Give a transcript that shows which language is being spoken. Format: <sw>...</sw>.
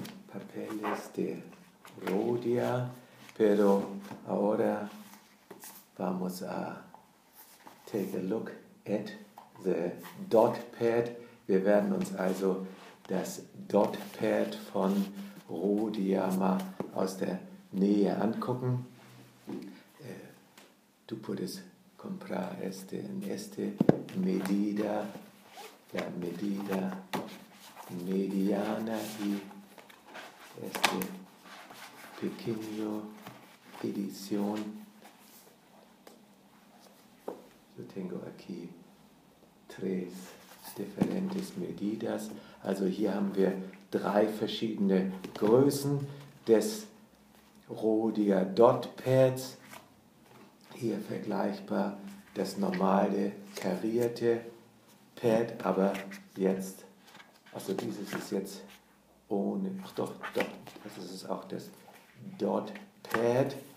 <es>papeles de Rhodia, pero ahora vamos a</es> <en>take a look at the dot pad.</en> <de>Wir werden uns also das dot pad von Rhodia mal aus der Nähe angucken.</de> <es>Du puedes comprar este en este medida, la medida mediana y este pequeño edición. Yo tengo aquí tres diferentes medidas.</es> <de>Also hier haben wir drei verschiedene Größen des Rhodia Dot Pads. Hier vergleichbar das normale karierte Pad, aber jetzt, also dieses ist jetzt ohne, ach doch, doch, das ist es auch, das Dot Pad.</de>